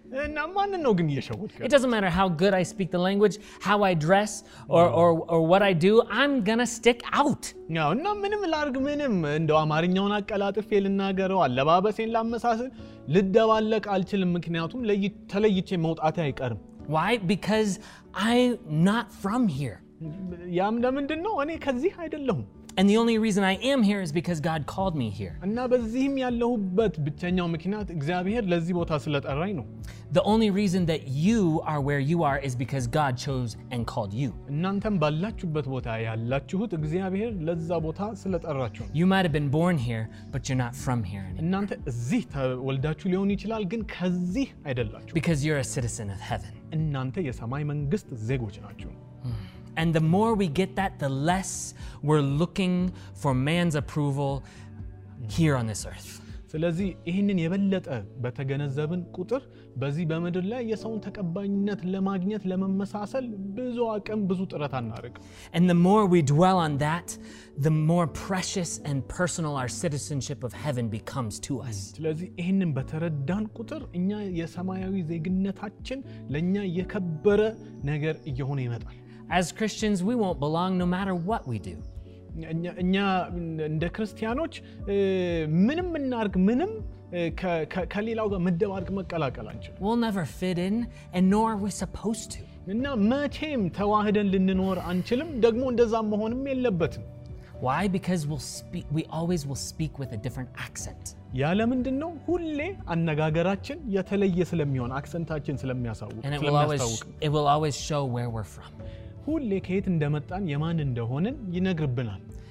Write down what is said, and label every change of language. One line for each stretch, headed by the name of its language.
Amharic: እና ማን ነው ግን የሸወድከው?
English: It doesn't matter how good I speak the language, how I dress or what I do, I'm gonna stick out.
Amharic: ያው እና ምንም ላርግ ምንም እንደው አማርኛውን አቀላጥፌ ልናገረው አለባበሴን ላመሳሰል ልደባለቅ አልችልም ምክንያቱም ተለይቼ መውጣት አይቀርም.
English: Why? Because I'm not from here.
Amharic: ያም ለምንድን ነው እኔ ከዚህ አይደለሁም.
English: And the only reason I am here is because God called me here.
Amharic: እና በዚህም ያለሁበት ብቻኛው ምክንያት እግዚአብሔር ለዚህ ቦታ ስለጠራኝ ነው.
English: The only reason that you are where you are is because God chose and called you.
Amharic: እናንተም ባላችሁበት ቦታ ያላችሁት እግዚአብሔር ለዛ ቦታ ስለጠራችሁ.
English: You might have been born here, but you're not from here.
Amharic: እናንተ እዚህ ተወልዳችሁ ሊሆን ይችላል ግን ከዚህ አይደላችሁ.
English: Because you're a citizen of heaven.
Amharic: እናንተ የሰማይ መንግስት ዜጎች ናችሁ.
English: And the more we get that, the less we're looking for man's approval here on this earth.
Amharic: ስለዚህ ይሄንን የበለጠ በተገነዘብን ቁጥር በዚህ በመድር ላይ የሰውን ተቀባይነት ለማግኘት ለመመሳሰል ብዙ አቅም ብዙ ጥረት አናደርግ.
English: And the more we dwell on that, the more precious and personal our citizenship of heaven becomes to us.
Amharic: ስለዚህ ይሄንን በተረዳን ቁጥር እኛ የሰማያዊ ዜግነታችን ለኛ የከበረ ነገር እየሆነ ይመጣል.
English: As Christians, we won't belong no matter what we do.
Amharic: እኛ እንደ ክርስቲያኖች ምንም እናርግ ምንም ከሌላው ጋር መደባርቅ መቀላቀል አንችልም.
English: We'll never fit in, and nor are we supposed to.
Amharic: እና መቼም ተዋህደን ልንኖር አንችልም ደግሞ እንደዛ መሆንም የለበትም.
English: Why? Because we always will speak with a different accent.
Amharic: ያለምንድነው ሁሌ አነጋገራችን የተለየ ስለሚሆን አክሰንታችን ስለሚያሳውቅ
English: it will always show where we're from.
Amharic: ሁሌ ከየት እንደመጣን የማን እንደሆነ ይነግርብናል.